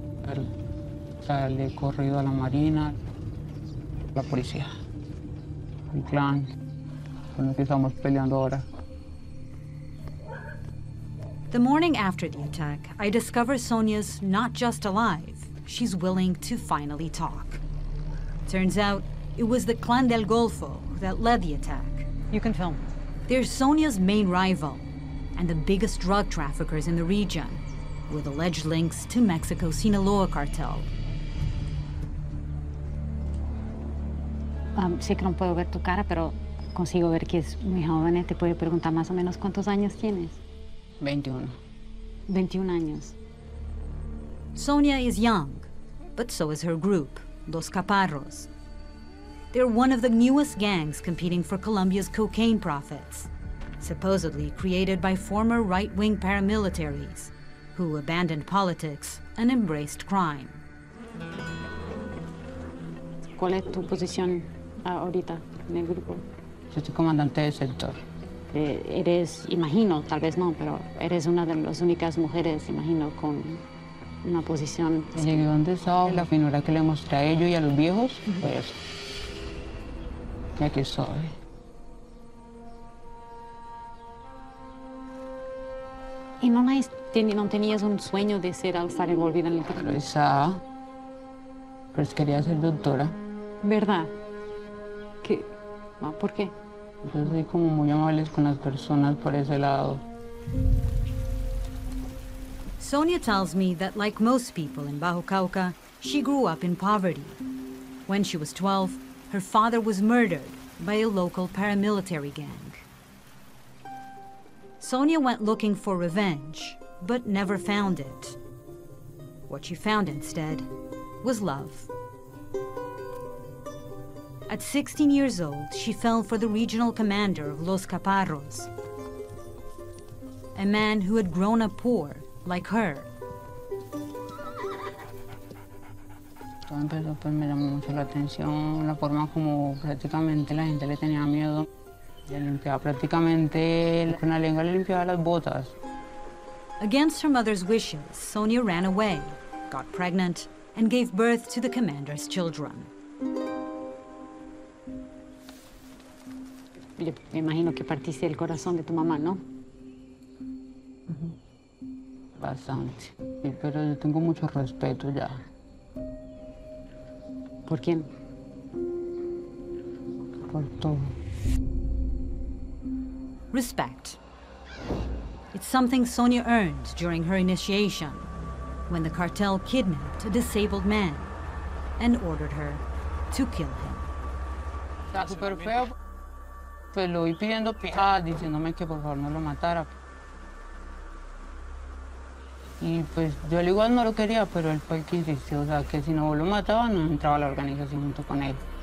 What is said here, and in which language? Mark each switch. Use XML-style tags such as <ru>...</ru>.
<es>Le he corrido a la marina, la policía, el clan, con el que estamos peleando ahora.</es> <en>The morning after the attack, I discover Sonia's not just alive, she's willing to finally talk. Turns out, it was the clan del Golfo that led the attack. You can film. They're Sonia's main rival, and the biggest drug traffickers in the region, with alleged links to Mexico's Sinaloa cartel.</en> <es>Sé que no puedo ver tu cara, pero consigo ver que es muy joven. Te puedo preguntar más o menos cuántos años tienes. 21. 21 años.</es> <en>Sonia is young, but so is her group, Los Caparros. They're one of the newest gangs competing for Colombia's cocaine profits, supposedly created by former right-wing paramilitaries who abandoned politics and embraced crime.</en> <es>¿Cuál es tu posición? Ahorita, en el grupo. Yo soy comandante del sector. Eres, imagino, tal vez no, pero eres una de las únicas mujeres, imagino, con una posición. Llegué donde estaba, la finura que le mostré a ellos y a los viejos, pues, y aquí soy. ¿Y no, no tenías un sueño de ser alfa envolvida en el trabajo? Esa, pues quería ser doctora. ¿Verdad? ¿Por qué? Yo soy como muy amable con las personas por ese lado.</es> <en>Sonia tells me that like most people in Bajo Cauca, she grew up in poverty. When she was 12, her father was murdered by a local paramilitary gang. Sonia went looking for revenge, but never found it. What she found instead was love. At 16 years old, she fell for the regional commander of Los Caparros, a man who had grown up poor, like her.</en> <es>Todo empezó, pues, me llamó mucho la atención, la forma como prácticamente la gente le tenía miedo. Le limpiaba prácticamente, con la lengua le limpiaba las botas.</es> <en>Against her mother's wishes, Sonia ran away, got pregnant, and gave birth to the commander's children.</en> <es>Yo me imagino que partiste el corazón de tu mamá, ¿no? Bastante. Pero yo tengo mucho respeto ya. ¿Por quién? Por todo.</es> <en>Respect. It's something Sonia earned during her initiation, when the cartel kidnapped a disabled man and ordered her to kill him.</en> <es>Está super feo. Pues lo vi pidiendo pijadas, diciéndome que por favor no lo matara. Y pues yo al igual no lo quería, pero él fue el que insistió, o sea, que si no lo mataba, no entraba a la organización junto con él.</es>